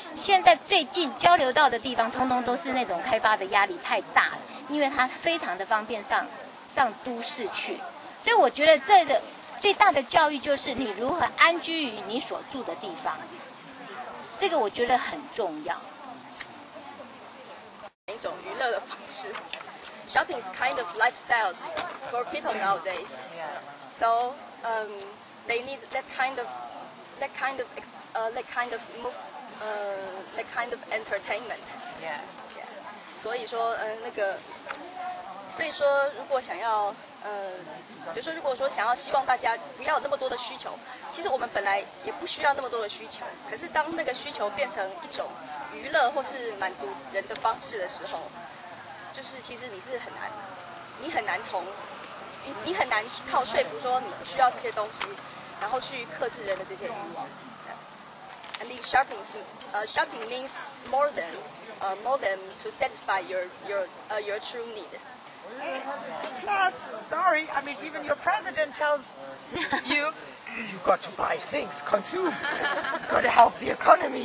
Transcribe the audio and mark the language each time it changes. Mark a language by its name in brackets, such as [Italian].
[Chinese] 现在最近交流到的地方通通都是那种开发的压力太大了，因为它非常的方便上都市去。所以我觉得这个最大的教育就是你如何安居于你所住的地方，这个我觉得很重要。一种娱乐的方式， [English] shopping is kind of lifestyles for people nowadays. So, they need that kind of entertainment. Yeah. [Chinese] 所以说，那个，所以说，如果想要，比如说，如果说想要希望大家不要那么多的需求，其实我们本来也不需要那么多的需求。可是当那个需求变成一种娱乐或是满足人的方式的时候，就是其实你是很难，你很难从，你很难靠说服说你不需要这些东西，然后去克制人的这些欲望。 [English] And the shopping is, shopping means more than to satisfy your true need. Plus, sorry, I mean, even your president tells you, you've got to buy things, consume, got to help the economy,